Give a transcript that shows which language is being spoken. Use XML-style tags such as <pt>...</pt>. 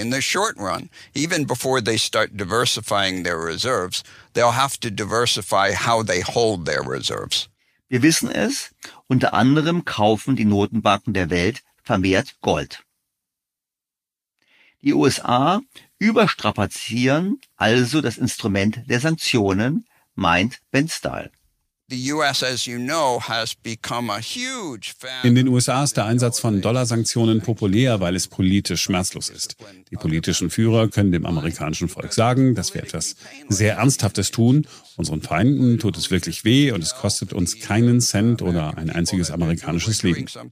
<en>In the short run, even before they start diversifying their reserves, they'll have to diversify how they hold their reserves.</en> <de>Wir wissen es, unter anderem kaufen die Notenbanken der Welt vermehrt Gold. Die USA überstrapazieren also das Instrument der Sanktionen, meint Ben Stile.</de> <en>The US, as you know, has become a huge fan.</en> <de>In den USA ist der Einsatz von Dollarsanktionen populär, weil es politisch schmerzlos ist. Die politischen Führer können dem amerikanischen Volk sagen, dass wir etwas sehr Ernsthaftes tun. Unseren Feinden tut es wirklich weh und es kostet uns keinen Cent oder ein einziges amerikanisches Leben.</de>